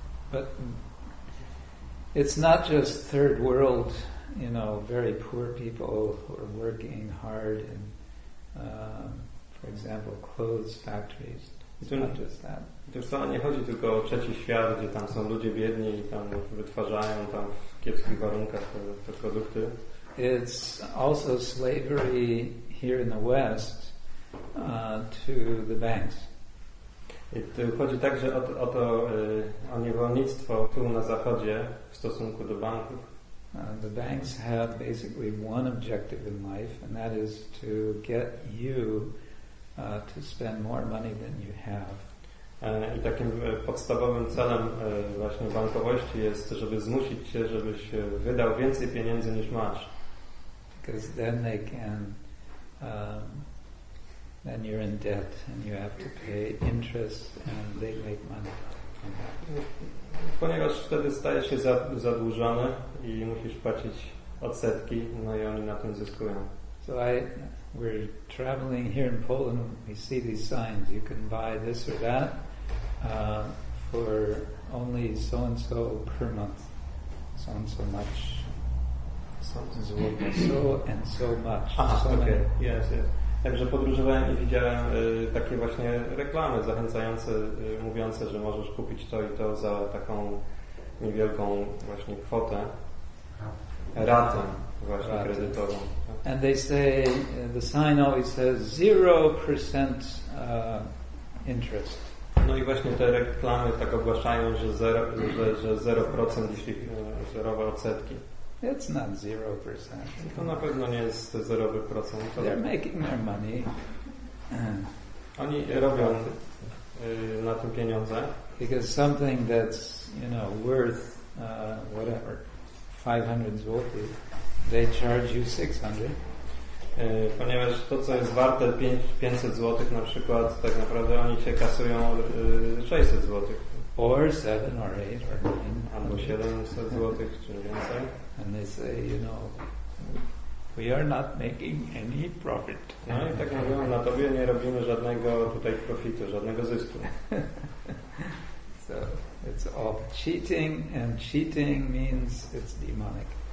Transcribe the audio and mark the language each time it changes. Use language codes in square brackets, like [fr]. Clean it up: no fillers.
[en] But it's not just third world, you know, very poor people who are working hard in, for example, clothes factories. It's not just that. [pl] To wcale nie chodzi tylko o trzeci świat, gdzie tam są ludzie biedni i tam wytwarzają tam w kiepskich warunkach te produkty. [en] It's also slavery here in the West to the banks. [pl] I tu chodzi także o niewolnictwo tu na Zachodzie w stosunku do banków. [en] The banks have basically one objective in life, and that is to get you to spend more money than you have. [pl] I takim podstawowym celem właśnie bankowości jest, żeby zmusić cię, żebyś wydał więcej pieniędzy niż masz. [en] Because then they can, then you're in debt and you have to pay interest and they make money. [pl] Ponieważ wtedy stajesz się zadłużony i musisz płacić odsetki, no i oni na tym zyskują. [en] So we're traveling here in Poland, we see these signs, you can buy this or that. For only so and so per month, so and so much, so and so much. Aha, so okay, many. Yes. [pl] Także podróżowałem i widziałem takie właśnie reklamy zachęcające, mówiące, że możesz kupić to i to za taką niewielką właśnie kwotę, ratę właśnie ratę. Kredytową. [en] And they say the sign always says 0% interest. [pl] No i właśnie te reklamy tak ogłaszają, że 0%, jeśli zerowe odsetki. [en] It's not 0%. [pl] To na pewno nie jest 0%. [en] They're making their money. [pl] Oni robią na tym pieniądze. [en] Because something that's, you know, worth whatever, 500 złoty, they charge you 600. [pl] Ponieważ to, co jest warte 500 zł na przykład, tak naprawdę oni cię kasują 600 zł. [en] Or 7 or 8 or 9. [pl] Albo 700 zł, czy więcej. [en] And they say, you know, we are not making any profit. [pl] No i tak mówią, na tobie nie robimy żadnego tutaj profitu, żadnego zysku. [en] So, It's all cheating, and cheating means it's demonic.